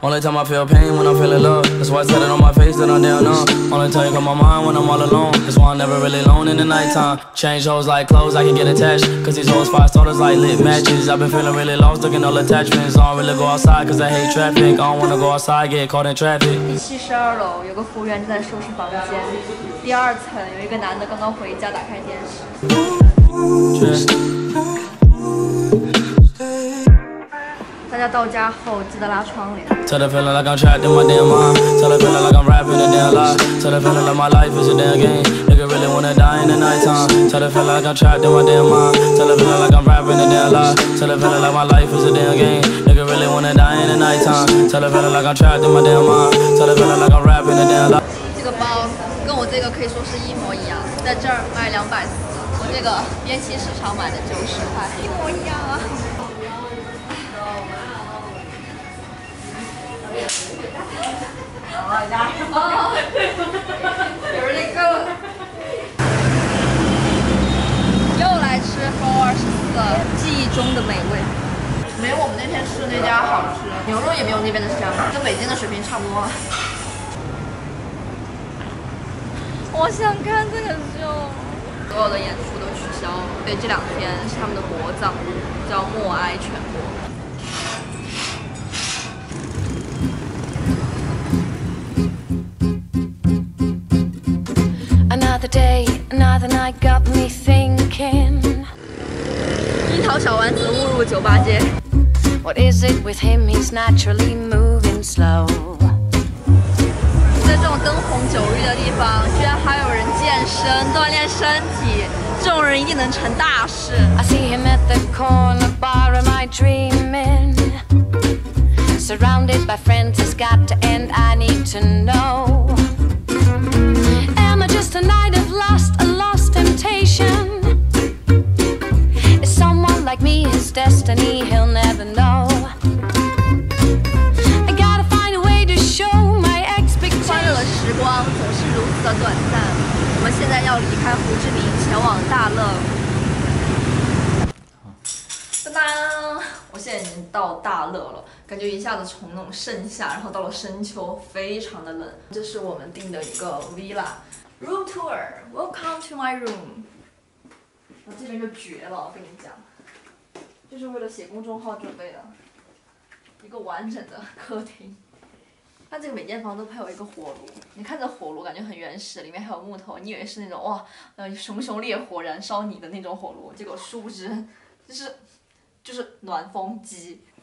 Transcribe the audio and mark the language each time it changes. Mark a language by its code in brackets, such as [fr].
[en] Only time I feel pain when I'm feeling love. That's why I said it on my face that I'm down numb. Only time you come on my mind when I'm all alone. That's why I'm never really alone in the nighttime. Change hoes like clothes, I can get attached. Cause these hoes fire starters like lit matches. I've been feeling really lost, looking all attachments. I don't really go outside cause I hate traffic. I don't wanna go outside, get caught in traffic. [zh] 第72楼有个服务员正在收拾房间，第二层有一个男的刚刚回家打开电视。大家到家后记得拉窗帘。 [en] Tell the feeling like I'm trapped in my damn mind. Tell the feeling like I'm rapping a damn lie. Tell the feeling like my life is a damn game. Nigga really wanna die in the nighttime. Tell the feeling like I'm trapped in my damn mind. Tell the feeling like I'm rapping a damn lie. Tell the feeling like my life is a damn game. Nigga really wanna die in the nighttime. Tell the feeling like I'm trapped in my damn mind. Tell the feeling like I'm rapping a damn lie. [zh] 这个包跟我这个可以说是一模一样，在这儿卖240，我这个边西市场买的90块，一模一样啊。又来吃424记忆中的美味，没我们那天吃的那家好吃，牛肉也没有那边的香，跟北京的水平差不多。我想看这个秀，所有的演出都取消了，所以这两天是他们的国葬日，叫默哀全国。 [en] Another day, another night got me thinking. [zh] 樱桃小丸子误入酒吧街。 [en] What is it with him? He's naturally moving slow. [zh] 在这种灯红酒绿的地方，居然还有人健身锻炼身体，这种人一定能成大事。 [en] I see him at the corner bar, am I dreaming? Surrounded by friends, it's got to end. I need to know. Just a night of lust, a lost temptation. Is someone like me his destiny? He'll never know. I gotta find a way to show my expectations. [zh] 快乐的时光总是如此的短暂。我们现在要离开胡志明，前往大乐。噔噔，我现在已经到大乐了，感觉一下子从那种盛夏，然后到了深秋，非常的冷。这是我们订的一个 villa。 [en] Room tour, welcome to my room. [zh] 我这边就绝了，我跟你讲，就是为了写公众号准备的，一个完整的客厅。它这个每间房都配有一个火炉，你看这火炉感觉很原始，里面还有木头，你以为是那种哇，熊熊烈火燃烧你的那种火炉，结果殊不知，就是暖风机。